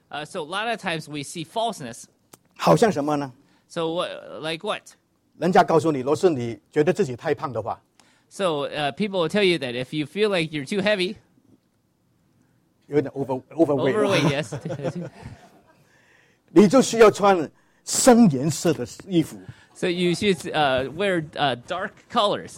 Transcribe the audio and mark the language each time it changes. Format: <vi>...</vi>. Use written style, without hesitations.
<en>So a lot of times we see falseness.</en> <zh>好像什么呢?</zh> <en>So what, like what?</en> <zh>人家告诉你,若是你觉得自己太胖的话,</zh> <en>So people will tell you that if you feel like you're too heavy,</en> <zh>有点 overweight.</zh> <en>Overweight, yes.</en> <zh>你就需要穿深颜色的衣服。</zh> <en>So you should wear dark colors.</en>